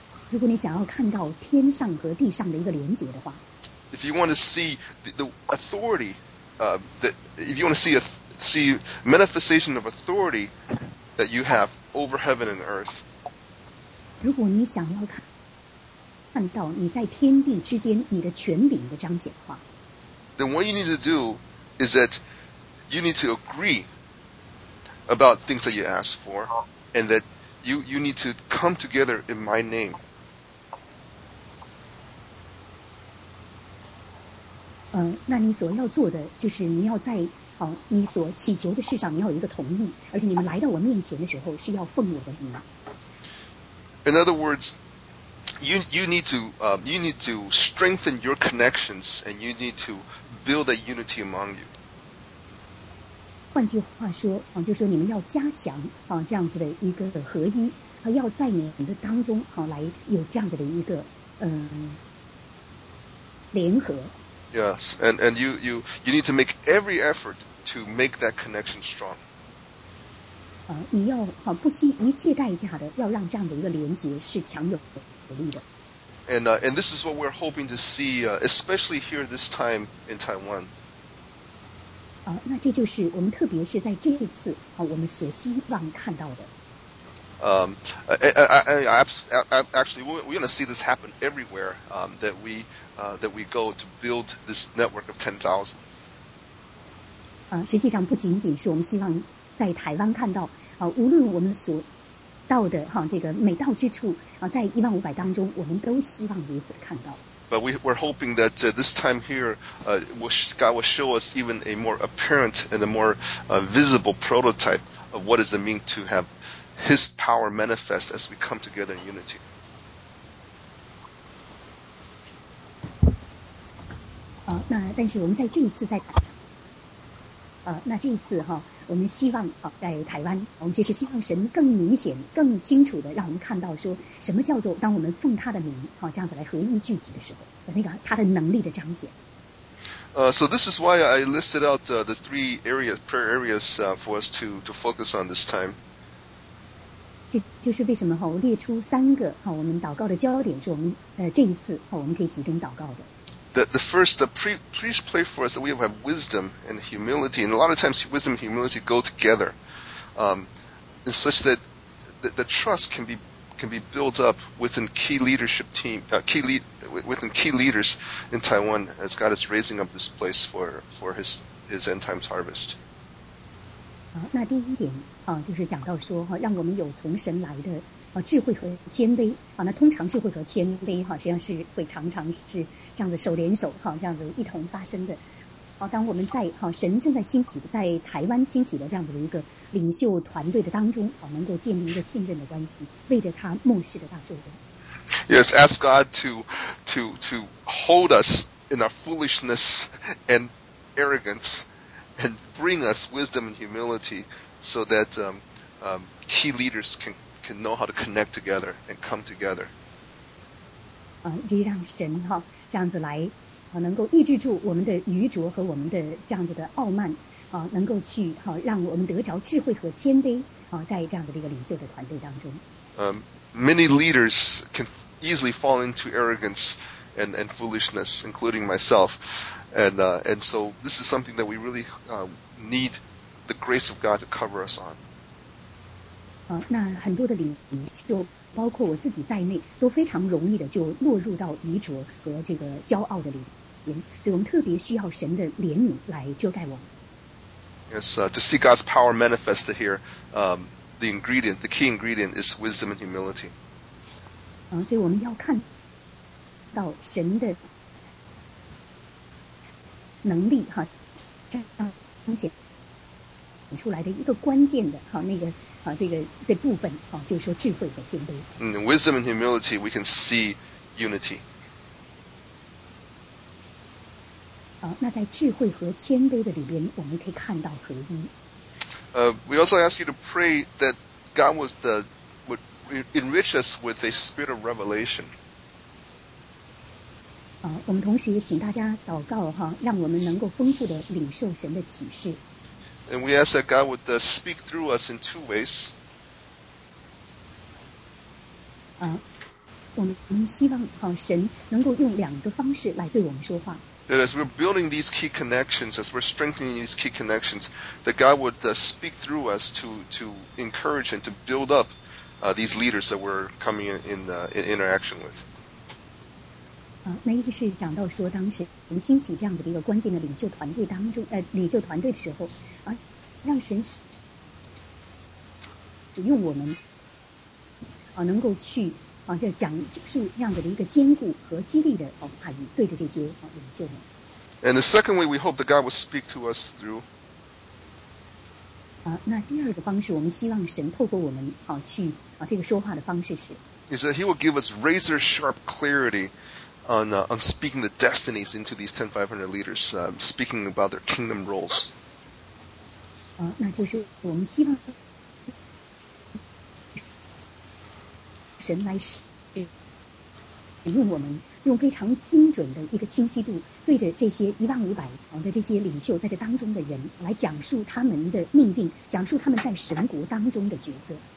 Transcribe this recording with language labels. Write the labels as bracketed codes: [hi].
[zh] 如果你想要看到天上和地上的一个连结的话 [en] If you want to see the authority, if you want to see manifestation of authority that you have over heaven and earth, [zh] 如果你想要看到你在天地之间你的权柄的彰显化。 [en] Then what you need to do is that you need to agree about things that you ask for, and that you need to come together in my name. [zh] 那你所要做的就是你要在你所祈求的事上你要有一个同意，而且你们来到我面前的时候是要奉我的名。 [en] In other words. You need to strengthen your connections and you need to build a unity among you. [zh] 换句话说，就是说你们要加强这样子的一个合一，要在你们的当中来有这样子的一个联合。 [en] Yes, and you need to make every effort to make that connection strong. [zh] 你要不惜一切代价的要让这样的一个连结是强有的。 [en] And this is what we're hoping to see, especially here this time in Taiwan. [zh] 那这就是我们特别是在这一次我们所希望看到的。 [en] Actually, we're going to see this happen everywhere that we go to build this network of 10,000. [zh] 实际上不仅仅是我们希望在台湾看到，无论我们所到的哈这个美到之处啊，在一万五百当中，我们都希望如此看到。 [en] But we're hoping that this time here, God will show us even a more apparent and a more visible prototype of what does it mean to have His power manifest as we come together in unity. [zh] 那但是我们在这一次在，那这一次哈，我们希望在台湾，我们就是希望神更明显、更清楚的让我们看到说什么叫做当我们奉他的名这样子来合一聚集的时候，那个他的能力的彰显。 [en] So this is why I listed out the three areas, prayer areas for us to focus on this time. [zh] 就是为什么哈，我列出三个哈，我们祷告的焦点是我们这一次我们可以集中祷告的。 [en] The first, please pray for us that we have wisdom and humility. And a lot of times, wisdom and humility go together, such that the trust can be built up within key leadership team, within key leaders in Taiwan as God is raising up this place for His end times harvest. [zh] 那第一点就是讲到说让我们有从神来的智慧和谦卑那通常智慧和谦卑实际上是会常常是这样子手连手这样子一同发生的当我们在神正在兴起在台湾兴起的这样子的一个领袖团队的当中能够建立一个信任的关系为着他牧师的大作为 [en] Yes, ask God to hold us in our foolishness and arrogance and bring us wisdom and humility so that key leaders can know how to connect together and come together. [zh] 就让神这样子来能够抑制住我们的愚拙和我们的这样子的傲慢能够去让我们得着智慧和谦卑在这样子的一个领袖的团队当中。 [en] Many leaders can easily fall into arrogance and foolishness, including myself. And so this is something that we really need the grace of God to cover us on. [zh] 那很多的领袖包括我自己在内都非常容易的就落入到愚拙和这个骄傲的里面所以我们特别需要神的怜悯来遮盖我们 [en] Yes, to see God's power manifested here, the key ingredient is wisdom and humility. [zh] 所以我们要看到神的能力这样彰显出来的一个关键的这个部分就是说智慧和谦卑 [en] In wisdom and humility we can see unity [zh] 那在智慧和谦卑的里边我们可以看到合一 [en] We also ask you to pray that God would enrich us with a spirit of revelation [zh] 我们同时也请大家祷告让我们能够丰富的领受神的启示 [en] And we ask that God would speak through us in two ways. [zh] 我们希望神能够用两个方式来对我们说话。 [en] That as we're building these key connections, as we're strengthening these key connections, that God would speak through us to encourage and to build up these leaders that we're coming in interaction with. [zh] 那一个是讲到说当时我们兴起这样的一个关键的领袖团队当中领袖团队的时候让神用我们能够去就讲述这样的一个坚固和激励的话语对着这些领袖们 [en] And the second way we hope that God will speak to us through [zh] 那第二个方式我们希望神透过我们去这个说话的方式是 [en] Is that He will give us razor sharp clarityon speaking the destinies into these 10,500 leaders, speaking about their kingdom roles. [zh] 那就是我们希望神来使用我们用非常精准的一个清晰度对着这些1500的这些领袖在这当中的人来讲述他们的命定讲述他们在神国当中的角色。